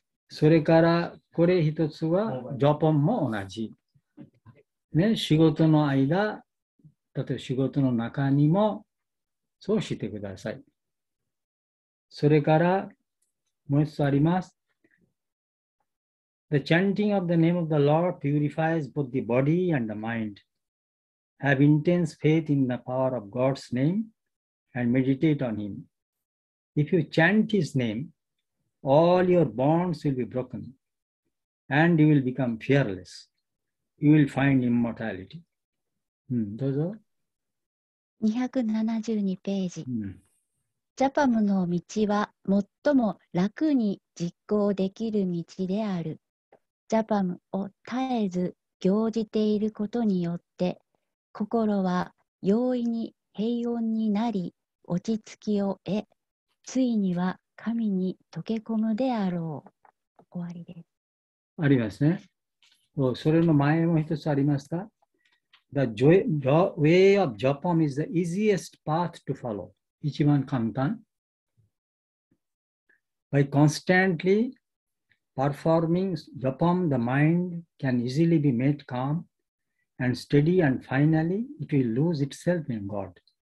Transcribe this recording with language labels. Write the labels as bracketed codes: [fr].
[ja] それから、これ一つは、ジョポンも同じ。ね、仕事の間、例えば仕事の中にも、そうしてください。それから、もう一つあります。 [en] The chanting of the name of the Lord purifies both the body and the mind. Have intense faith in the power of God's name and meditate on Him. If you chant His name,All your bonds will be broken and you will become fearless. You will find immortality.、 [ja] どうぞ。 272ページ、ジャパムの道は最も楽に実行できる道である。ジャパムを絶えず行じていることによって、心は容易に平穏になり、落ち着きを得、ついには神に溶け込むであろう。終わりです。ありますね。それの前も一つありますか？ [en] The way of Japam is the easiest path to follow. [ja] 一番簡単。 [en] By constantly performing Japam, the mind can easily be made calm and steady and finally it will lose itself in God.